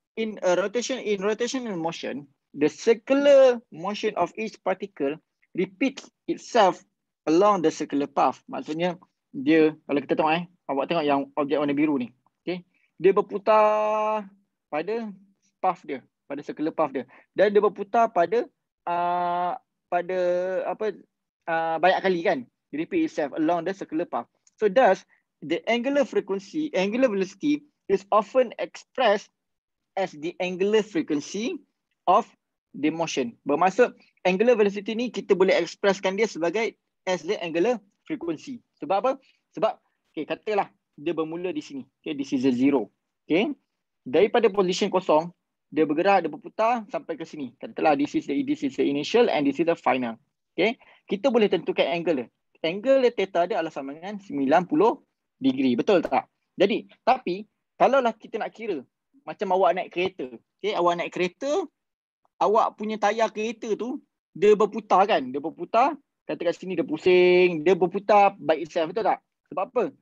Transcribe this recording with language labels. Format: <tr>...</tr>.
<en>In rotation and motion, the circular motion of each particle repeats itself along the circular path.</en> <ms>Maksudnya, dia, kalau kita tengok awak tengok yang objek warna biru ni. Okay, dia berputar pada path dia, pada</ms> <en>circular path</en> <ms>dia. Dan dia berputar pada banyak kali kan.</ms> <en>Repeat itself along the circular path. So thus, the angular frequency, angular velocity is often expressed as the angular frequency of the motion.</en> <ms>Bermaksud, angular velocity ni kita boleh ekspreskan dia sebagai</ms> <en>as the angular frequency.</en> <ms>Sebab apa? Sebab, okay, katalah dia bermula di sini. Okay,</ms> <en>this is a zero.</en> <ms>Okay. Daripada position kosong, dia bergerak, dia berputar sampai ke sini.</ms> <en>Katalah this is the initial and this is the final. Okay.</en> <ms>Kita boleh tentukan angle. Angle theta dia adalah sama dengan 90 degree. Betul tak? Jadi, tapi, kalaulah kita nak kira, macam awak naik kereta. Okay, awak naik kereta, awak punya tayar kereta tu, dia berputar kan? Dia berputar, kata kat sini dia pusing, dia berputar</ms> <en>by itself,</en> <ms>betul tak? Sebab apa?</ms>